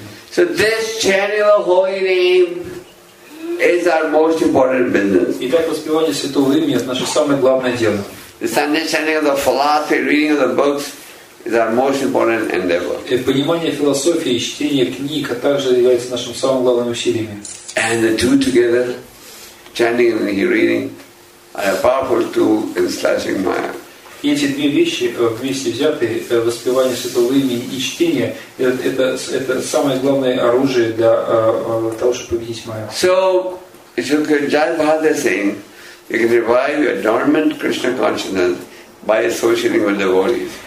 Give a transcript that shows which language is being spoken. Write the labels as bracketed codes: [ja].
[en] So this chanting of the holy name is our most important business. [ru] Итак, воспевание святого имени это наше самое главное дело. [en] This understanding of the philosophy, reading of the books, is our most important endeavor. [ru] И понимание философии и чтение книг также является нашим самым главным усилием. [en] And the two together, chanting and reading, are a powerful tool in slashing maya. [ru] И эти две вещи вместе взятые, воспевание святого имени и чтение, это самое главное оружие для того, чтобы победить майя. [en] So, if you can join Bhagavad saying, you can revive your dormant Krishna consciousness by associating with devotees.